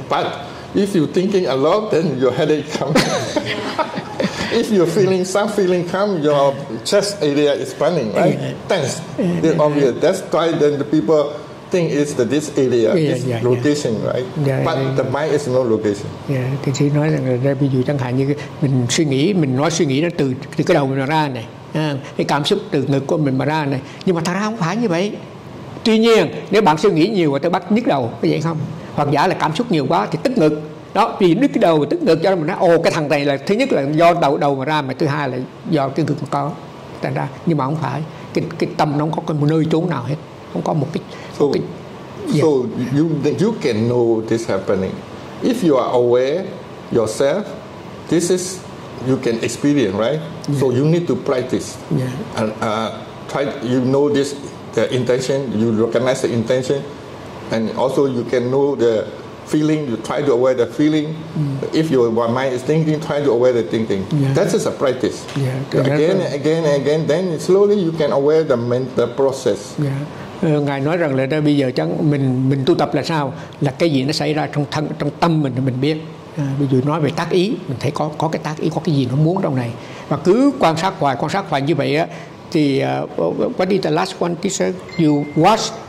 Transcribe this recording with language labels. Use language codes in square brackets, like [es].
[en] But if you thinking a lot, then your headache comes. If you're feeling some feeling come, your chest area is burning, right? Yeah. Tense. Yeah. It's obvious. That's why then the people think it's the this area, yeah, this yeah, location, yeah, right? Yeah, but yeah, the mind is no location. [vi] Yeah, thì chỉ nói rằng là ví dụ chẳng hạn như mình suy nghĩ, mình nói suy nghĩ nó từ cái đầu mình mà ra này, cái cảm xúc từ ngực của mình mà ra này. Nhưng mà thật ra không phải như vậy. Tuy nhiên, nếu bạn suy nghĩ nhiều và tới bắt nhức đầu, có vậy không? Hoặc giả là cảm xúc nhiều quá thì tức ngực. Đó, vì đứt cái đầu tức ngực cho nên mình nói ồ cái thằng này là thứ nhất là do đầu mà ra, mà thứ hai là do cái ngực mà có thành ra. Nhưng mà không phải, cái tâm nó không có cái nơi trốn nào hết, không có một cái [en] so, [vi] cái, [en] yeah. So you can know this happening if you are aware yourself, this is you can experience, right? Yeah. So you need to practice, yeah, and try you know this the intention, you recognize the intention, and also you can know the feeling, you try to aware the feeling. Mm. If your mind is thinking, try to aware the thinking. Yeah. That is a practice. Yeah. Again and again and again, then slowly you can aware the mental process. Yeah. [vi] Ngài nói rằng là đây bây giờ chẳng mình tu tập là sao? Là cái gì nó xảy ra trong thân, trong tâm mình biết. ví dụ nói về tác ý, mình thấy có cái tác ý, có cái gì nó muốn trong này, và cứ quan sát hoài như vậy á, thì [en] what is the last one teacher you watch